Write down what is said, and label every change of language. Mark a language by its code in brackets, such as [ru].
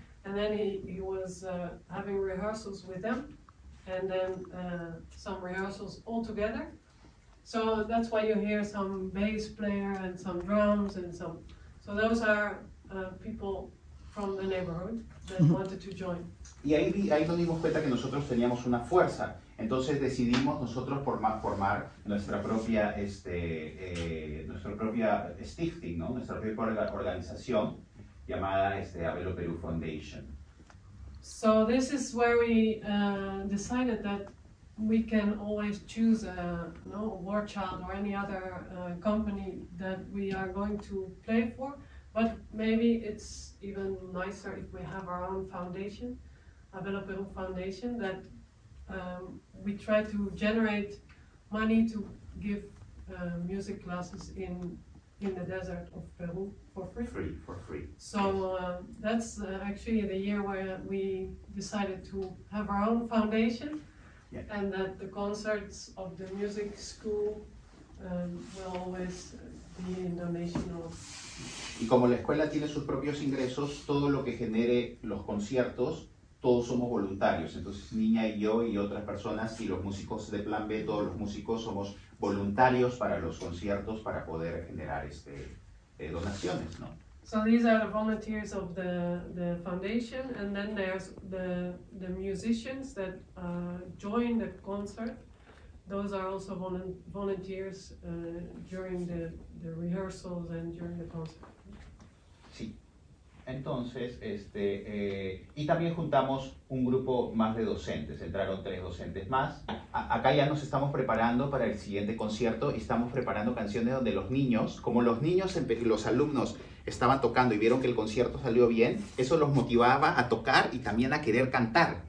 [en] And then he was having rehearsals with them, and then some rehearsals all together. So that's why you hear some bass player and some drums and some. So those are people from the neighborhood that mm-hmm. wanted to join. [es] Y ahí nos dimos cuenta que nosotros teníamos una fuerza. Entonces decidimos nosotros formar nuestra propia stifting, ¿no? Nuestra propia organización. Llamada Abelo Perú Foundation. [en] So this is where we decided that we can always choose a War Child or any other company that we are going to play for, but maybe it's even nicer if we have our own foundation, Abelo Perú Foundation, that we try to generate money to give music classes in the desert of Peru for free. So that's actually the year where we decided to have our own foundation, yeah. And that the concerts of the music school will always be in donation or... [es] Y como la escuela tiene sus propios ingresos, todo lo que genere los conciertos, todos somos voluntarios. Entonces, Niña y yo y otras personas y los músicos de Plan B, todos los músicos somos voluntarios para los conciertos para poder generar donaciones, ¿no? [en] So these are the volunteers of the foundation, and then there's the musicians that join the concert. Those are also volunteers during the rehearsals and during the concert. [es] Sí. Entonces, y también juntamos un grupo más de docentes. Entraron 3 docentes más. Acá ya nos estamos preparando para el siguiente concierto y estamos preparando canciones donde los niños, como los niños, los alumnos estaban tocando y vieron que el concierto salió bien, eso los motivaba a tocar y también a querer cantar.